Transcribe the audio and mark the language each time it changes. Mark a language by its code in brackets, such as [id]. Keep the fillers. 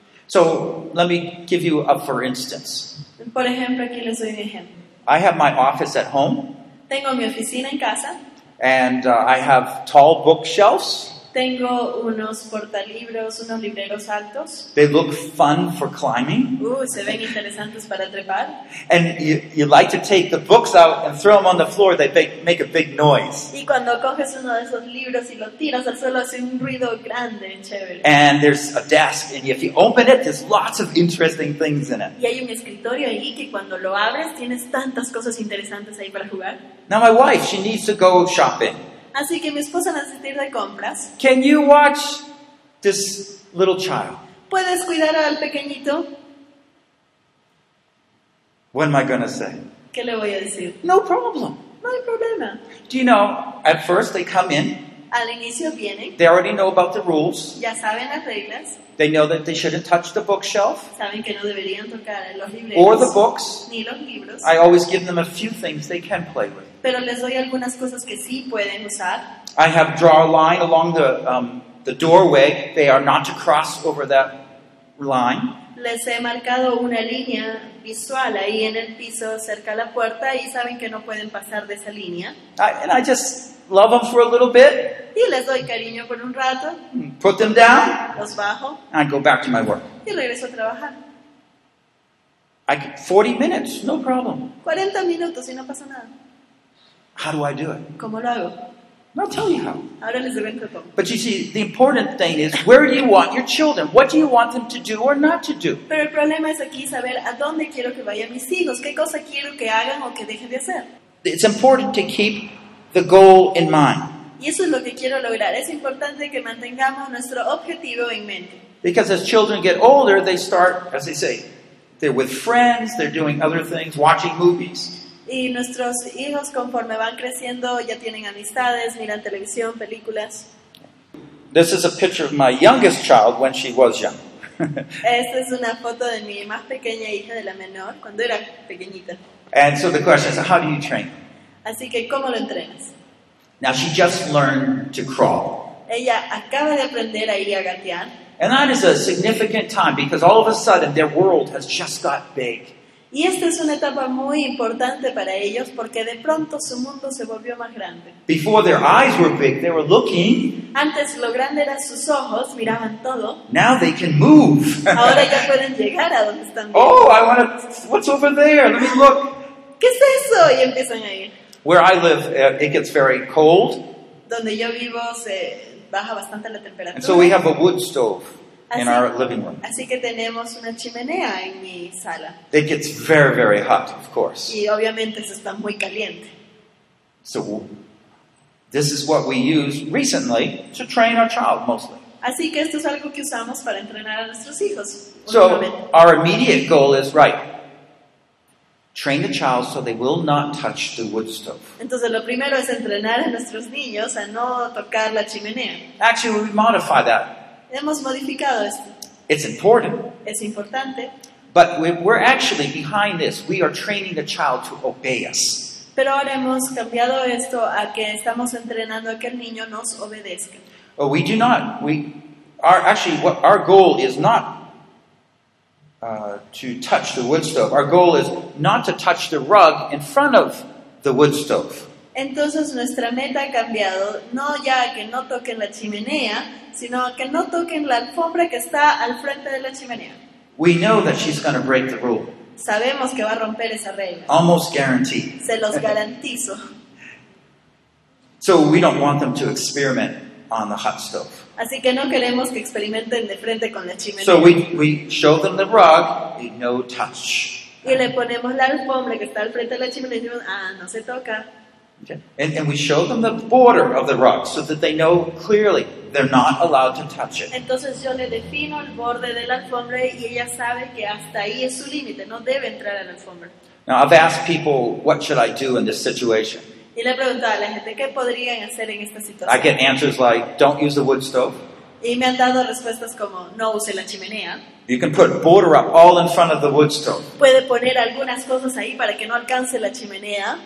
[en] So let me give you a for instance. [es] Por ejemplo, aquí les doy un ejemplo. [en] I have my office at home, [es] Tengo mi oficina en casa, [en] and uh, I have tall bookshelves. [es] tengo unos portalibros, unos libreros altos. [en] They look fun for climbing. [es] Uh, se ven interesantes para trepar. [en] And you, you like to take the books out and throw them on the floor. They make, make a big noise. [es] Y cuando coges uno de esos libros y lo tiras al suelo hace un ruido grande, chévere. [en] And there's a desk, and if you open it, there's lots of interesting things in it. [es] Y hay un escritorio ahí que cuando lo abres tienes tantas cosas interesantes ahí para jugar. [en] Now my wife, she needs to go shopping. [es] Así que mi esposa necesita ir de compras. [en] Can you watch this little child? [es] ¿Puedes cuidar al pequeñito? [en] What am I going to say? [es] ¿Qué le voy a decir? [en] No problem. [es] No hay problema. [en] Do you know, at first they come in, [es] Al inicio vienen, [en] they already know about the rules. [es] ya saben las reglas, [en] They know that they shouldn't touch the bookshelf [es] saben que no deberían tocar los [en] or the [es] libreros [en] books. [es] ni los libros, [en] I always give them a few things they can play with. [es] pero les doy algunas cosas que sí pueden usar. [en] I have draw a line along the, um, the doorway. They are not to cross over that line. [es] Les he marcado una línea visual ahí en el piso cerca a la puerta y saben que no pueden pasar de esa línea. [en] I, and I just love them for a little bit, [es] Y les doy cariño por un rato, [en] put them down, [es] los bajo [en] and I go back to my work. [es] y regreso a trabajar. [en] I could, 40 minutes, no problem. [es] 40 minutos y no pasa nada. [en] How do I do it? [es] ¿Cómo lo hago? [en] And I'll tell you how. [es] Ahora les cuento cómo. [en] But you see, the important thing is where do you want your children? What do you want them to do or not to do? [es] Pero el problema es aquí saber a dónde quiero que vayan mis hijos, qué cosa quiero que hagan o que dejen de hacer. [en] It's important to keep the goal in mind [es] Y eso es lo que quiero lograr. Es importante que mantengamos nuestro objetivo en mente. [en] because as children get older, they start, as they say, they're with friends, they're doing other things, watching movies. [es] Y nuestros hijos conforme van creciendo ya tienen amistades, miran televisión, películas. [en] This is a picture of my youngest child when she was young. [es] Esta es una foto de mi más pequeña hija, de la menor, cuando era pequeñita. [en] and so the question is, how do you train? [es] Así que, ¿cómo lo entrenas? [en] Now she just learned to crawl. [es] Ella acaba de aprender ahí a gatear [en] And that is a significant time because all of a sudden their world has just got big. [es] y esta es una etapa muy importante para ellos porque de pronto su mundo se volvió más grande. [en] Before their eyes were big, they were looking. [es] Antes lo grande eran sus ojos, miraban todo. [en] Now they can move. [es] Ahora ya pueden llegar a donde están. viendo. [en] oh, I want to. What's over there? Let me look. [es] ¿Qué es eso? Y empiezan a ir. [en] Where I live, uh, it gets very cold, [es] Donde yo vivo se baja bastante la temperatura. [en] and so we have a wood stove in our living room. [es] así que tenemos una chimenea en mi sala [en] It gets very, very hot, of course. [es] y obviamente eso está muy caliente. [en] So this is what we use recently to train our child mostly. [es] Así que esto es algo que usamos para entrenar a nuestros hijos. últimamente. [en] So our immediate goal is right. Train the child so they will not touch the wood stove. [es] Entonces lo primero es entrenar a nuestros niños a no tocar la chimenea. [en] Actually, we modify that. [es] Hemos modificado esto. [en] It's important. [es] Es importante, [en] But we- we're actually behind this. We are training the child to obey us. [es] pero ahora hemos cambiado esto a que estamos entrenando a que el niño nos obedezca. [en] But we do not. We are actually what our goal is not uh, to touch the wood stove. Our goal is not to touch the rug in front of the wood stove. [es] Entonces nuestra meta ha cambiado, no ya a que no toquen la chimenea, sino a que no toquen la alfombra que está al frente de la chimenea. [en] We know that she's going to break the rule, [es] Sabemos que va a romper esa regla, [en] almost guaranteed. [es] se los garantizo. [en] So we don't want them to experiment on the hot stove. [es] Así que no queremos que experimenten de frente con la chimenea. [en] So we, we show them the rug, a no touch. [es] y le ponemos la alfombra que está al frente de la chimenea y decimos, ah, no se toca. [en] Okay. And, and we show them the border of the rug so that they know clearly they're not allowed to touch it. [es] Entonces yo le defino el borde de la alfombra y ella sabe que hasta ahí es su límite, no debe entrar a la alfombra. [en] Now, I've asked people, what should I do in this situation? [es] Y le he preguntado a la gente, ¿qué podrían hacer en esta situación? [en] I get answers like, don't use the wood stove, [es] Y me han dado respuestas como no use la chimenea. [en] You can put border up all in front of the wood stove, [es] Puede poner algunas cosas ahí para que no alcance la chimenea.